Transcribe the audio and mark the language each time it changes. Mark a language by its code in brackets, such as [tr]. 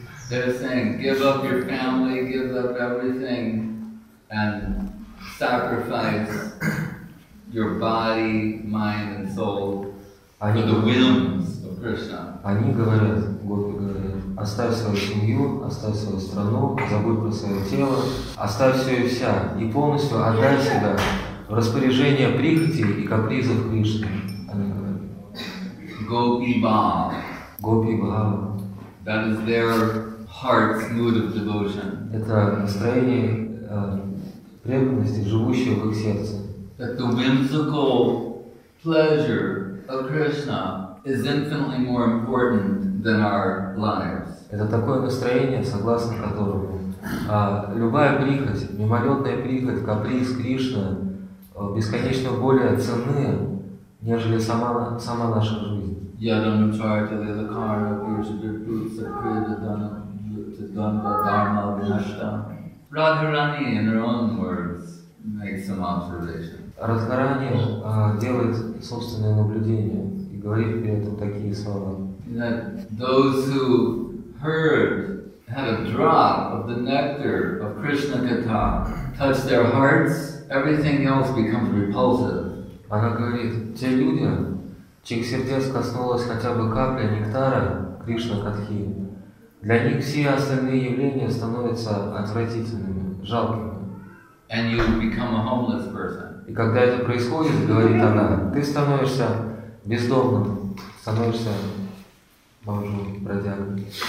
[en] They're saying, give up your family, give up everything. And sacrifice your body, mind, and soul [ru] они [en] for the whims of Krishna. [ru] Они говорят, гопи говорят, оставь свою семью, оставь свою страну, забудь про свое тело, оставь все и вся, и полностью отдай себя в распоряжение прихоти и капризов Кришны. Они говорят. [en] Gopi Bhav. Gopi Bhav. That is their heart's mood of devotion. [ru] Это настроение. Преданности, живущего в их сердце. [en] That the whimsical pleasure of Krishna is infinitely more important than our lives. [ru] Это такое настроение, согласно которому любая прихоть, мимолетная прихоть, каприз Кришны бесконечно более ценны, нежели сама наша жизнь. [sa] Я дам чарти лилакарна пуршабирпутса кридадана дандва дарма вишта. [en] Radharani, in her own words, makes some observations. [ru] Radharani делает собственное наблюдение и говорит при этом такие слова. [en] That those who heard had a drop of the nectar of Krishna Katha touched their hearts, everything else becomes repulsive. [ru] Она говорит, те люди, чьих сердец коснулась хотя бы капля нектара Кришна Катхи, для них все остальные явления становятся отвратительными, жалкими. [en] And you become a homeless person. [ru] И когда это происходит, говорит она, ты становишься бездомным, становишься бомжом, бродягой.